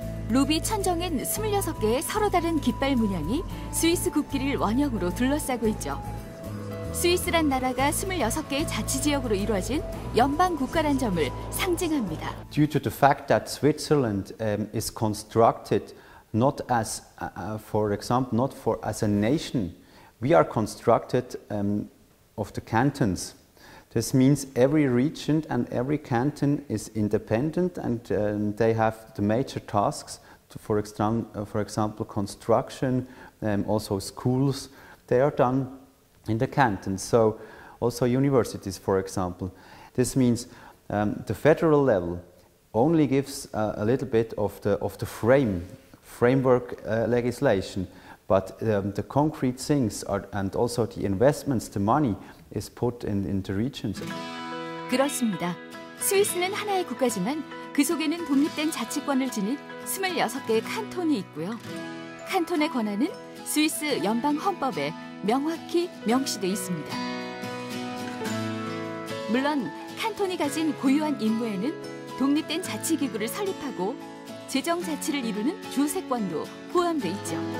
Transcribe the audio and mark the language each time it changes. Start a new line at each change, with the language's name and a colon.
Korean: 루비 천정엔 26개의 서로 다른 깃발 문양이 스위스 국기를 원형으로 둘러싸고 있죠. 스위스란 나라가 26개의 자치 지역으로 이루어진 연방 국가란 점을 상징합니다.
English: Due to the fact that Switzerland is constructed not as, for example, not for as a nation, we are constructed of the cantons. This means every region and every canton is independent and they have the major tasks, for example, construction, also schools, they are done in the canton. So also universities, for example. This means the federal level only gives a little bit of the framework legislation, but the concrete things are, and also the investments, the money, is put in the regions.
Korean: 그렇습니다. 스위스는 하나의 국가지만 그 속에는 독립된 자치권을 지닌 26개의 칸톤이 있고요. 칸톤의 권한은 스위스 연방 헌법에 명확히 명시돼 있습니다. 물론 칸톤이 가진 고유한 임무에는 독립된 자치기구를 설립하고 재정자치를 이루는 주세권도 포함돼 있죠.